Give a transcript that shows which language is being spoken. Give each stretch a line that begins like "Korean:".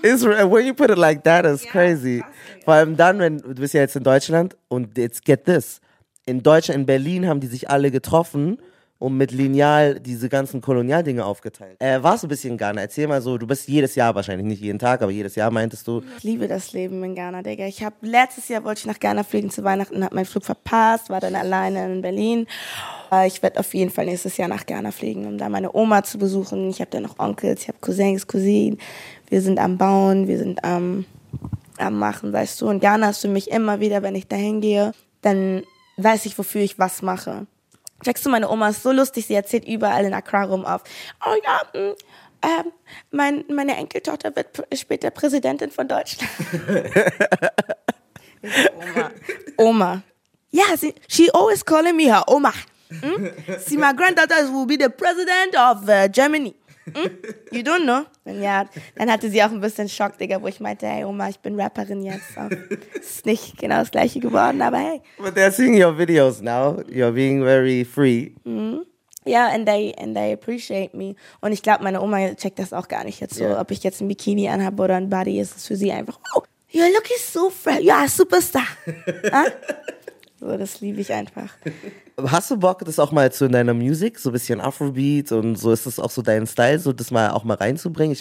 English: Israel, when you put it like that, it's crazy.
German: Vor allem dann, wenn du bist ja jetzt in Deutschland und jetzt
English: get this.
German: In Deutschland, in Berlin haben die sich alle getroffen und mit Lineal diese ganzen Kolonialdinge aufgeteilt. Warst du ein bisschen in Ghana? Erzähl mal so, du bist jedes Jahr wahrscheinlich, nicht jeden Tag, aber jedes Jahr meintest du. Ich liebe das Leben in Ghana, Digga. Ich hab, letztes Jahr wollte ich nach Ghana fliegen zu Weihnachten, hab meinen Flug verpasst, war dann alleine in Berlin. Ich werde auf jeden Fall nächstes Jahr nach Ghana fliegen, um da meine Oma zu besuchen. Ich habe da noch Onkels, ich habe Cousins, Cousinen. Wir sind am Bauen, wir sind am Machen, weißt du. Und Ghana ist für mich immer wieder, wenn ich da hingehe, dann weiß ich, wofür ich was mache. Checkst du, meine Oma ist so lustig, sie erzählt überall in Accra rum auf. Oh ja, meine Enkeltochter wird später Präsidentin von Deutschland. Oma.
English: Ja, yeah, she always calling me her Oma. Hm? See, my granddaughter will be the president of Germany. Hm? You don't know?
German: Und ja, dann hatte sie auch ein bisschen Schock, Digga, wo ich meinte, hey Oma, ich bin Rapperin jetzt. So. Ist nicht genau das Gleiche geworden, aber hey.
English: But they're seeing your videos now. You're being very free. Hm? Ja, and they appreciate me.
German: Und ich glaube, meine Oma checkt das auch gar nicht jetzt so, ob ich jetzt ein Bikini anhabe oder ein Body. Ist es für sie einfach,
English: oh, you're looking so fresh. You are a superstar.
German: So, das liebe ich einfach. Hast du Bock, das auch mal zu in deiner Musik, so ein bisschen Afrobeat und so, ist das auch so dein Style, so das mal auch mal reinzubringen?